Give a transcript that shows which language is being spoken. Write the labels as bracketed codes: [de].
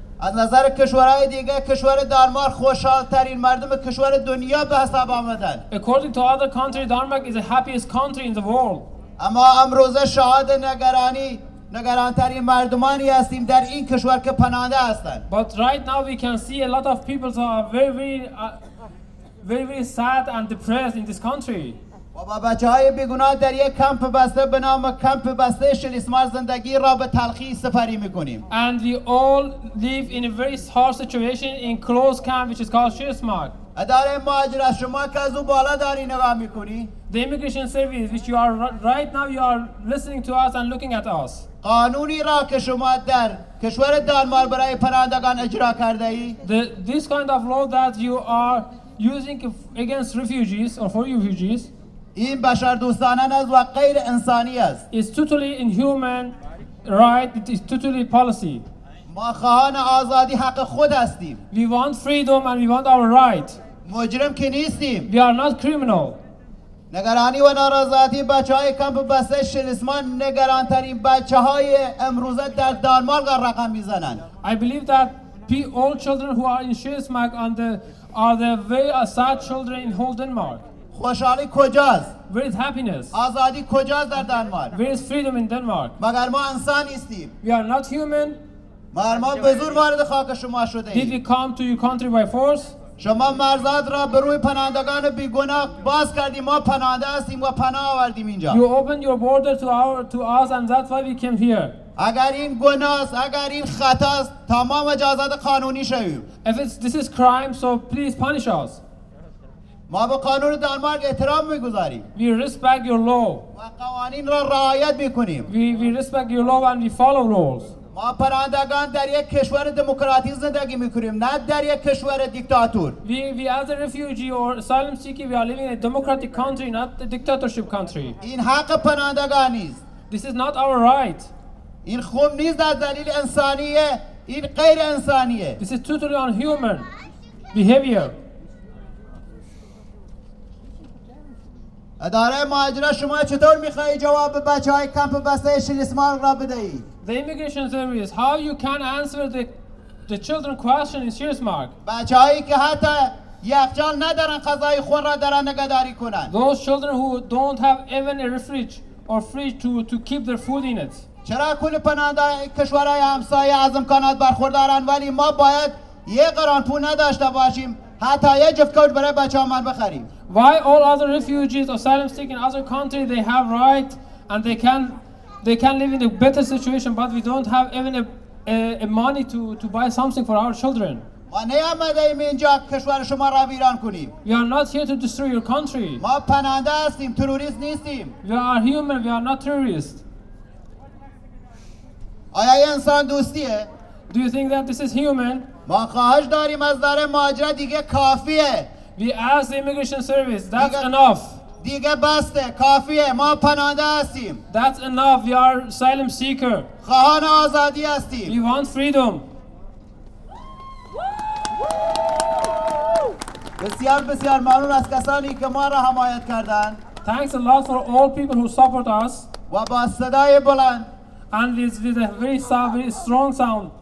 [fa] از نظر کشورهای دیگه کشور دانمارک خوشحال‌ترین مردم کشور دنیا به حساب آمدند. [en] According to other countries, Denmark is the happiest country in the world. [fa] اما امروز شاهد نگران‌ترین مردمانی هستیم در این کشور که پناهنده هستند. [en] But right now we can see a lot of people are very, very sad and depressed in this country. [fa] و با بچه‌های بی‌گناه در یک کمپ بسته به نام کمپ بسته شلسمار زندگی را به تلخی سفری می‌کنیم. [en] And we all live in a very harsh situation in closed camp which is called Shilsmark. [fa] اداره مهاجرت شما که از او بالا داری نگاه می‌کنی. [en] The immigration service which you are right now you are listening to us and looking at us. [fa] قانونی را که شما در کشور دانمارک برای پناهندگان اجرا کرده ای. [en] This kind of law that you are using against refugees or for refugees. [fa] این بشر دوستانه است و غیر انسانی است. [en] It's totally inhuman, right? It is totally policy. [fa] ما خواهان آزادی حق خود هستیم. [en] We want freedom and we want our right. [fa] مجرم که نیستیم. [en] We are not criminal. [fa] نگرانی و ناراضی بچهای کمپ بسته شلسمان نگران ترین بچهای امروز در دانمارک رقم میزنند. [en] I believe that all children who are in Shilsmark are the very sad children in whole Denmark. [fa] خوشحالی کجاست؟ [en] Where is happiness? [fa] آزادی کجاست در دانمارک؟ [en] Where is freedom in Denmark? [fa] مگر ما انسان هستیم؟ [en] We are not human. [fa] مگر ما به زور وارد خاک شما شده ایم؟ [en] Did we come to your country by force? [fa] شما مرزات را بر روی پناهندگان بیگناه باز کردیم. ما پناهنده هستیم و پناه آوردیم اینجا. [en] You opened your border to us and that's why we came here. [fa] اگر این گناه است، اگر این خطا است، تمام اجازات قانونی شویم. [en] If this is crime, so please punish us. [fa] ما به قانون دانمارک احترام میگذاریم. [en] We respect your law. [fa] ما قوانین را رعایت میکنیم. [en] We respect your law and we follow rules. [fa] ما پناهندگان در یک کشور دموکراتی زندگی میکنیم، نه در یک کشور دیکتاتور. [en] We as a refugee or asylum seeker, we are living in a democratic country, not a dictatorship country. [fa] این حق پناهندگان نیست. [en] This is not our right. [fa] این خوب نیست از دلیل انسانیه، این غیر انسانیه. [en] This is totally unhuman behavior. [fa] اداره مهاجرت شما چطور میخوای جواب به بچهای کمپ بسته شلسمار را بدهی؟ [en] The immigration service, how you can answer the children question in Shilsmark? [fa] بچهایی که حتی یخچال ندارن غذای خود را دارن نگهداری کنن. [en] Those children who don't have even a refrigerator or fridge to keep their food in it. [fa] چرا کل پناهنده کشورهای همسایه از امکانات برخوردارن ولی ما باید یک قران پول نداشته باشیم حتی یک جفت کوت برای بچه‌هامون بخریم؟ [en] Why all other refugees, asylum seekers in other countries, they have right and they can live in a better situation, but we don't have even a money to buy something for our children. We are not here to destroy your country. We are human, we are not terrorists. Do you think that this is human? We ask the immigration service, that's [fa] دیگه بسته، کافیه، ما پناهنده هستیم. [en] That's enough, we are asylum seeker. [fa] خواهان آزادی هستیم. [en] We want freedom. [fa] بسیار بسیار ممنون از کسانی که ما را حمایت کردند. [en] Thanks a lot for all people who support us. [fa] و با صدای بلند. [en] And with a very soft, very strong sound.